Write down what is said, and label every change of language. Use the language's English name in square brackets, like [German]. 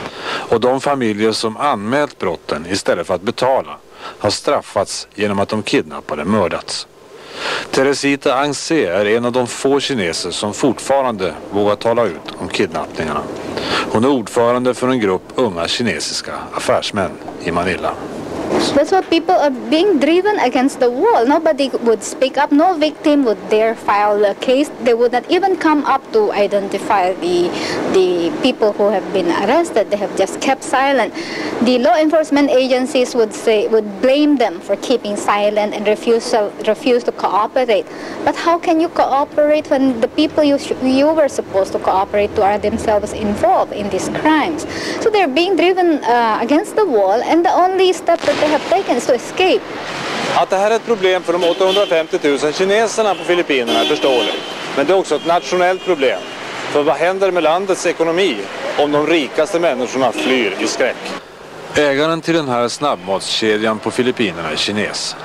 [Swedish] Och de familjer som anmält brotten istället för att betala har straffats genom att de kidnappade mördats. Teresita Angse är en av de få kineser som fortfarande vågar tala ut om kidnappningarna. Hon är ordförande för en grupp unga kinesiska affärsmän i Manila. [English] That's what people are being driven against the wall. Nobody would speak up. No victim would dare file a case. They would not even come up to identify the people who have been arrested. They have just kept silent. The law enforcement agencies would blame them for keeping silent and refuse to cooperate. But how can you cooperate when the people you were supposed to cooperate to are themselves involved in these crimes? So they're being driven against the wall, and the only step that they have taken is to escape. [Swedish] Att det här är ett problem för de 850 000 kineserna på Filippinerna är förståeligt. Men det är också ett nationellt problem. För vad händer med landets ekonomi om de rikaste människorna flyr i skräck? Ägaren till den här snabbmatskedjan på Filippinerna är kines.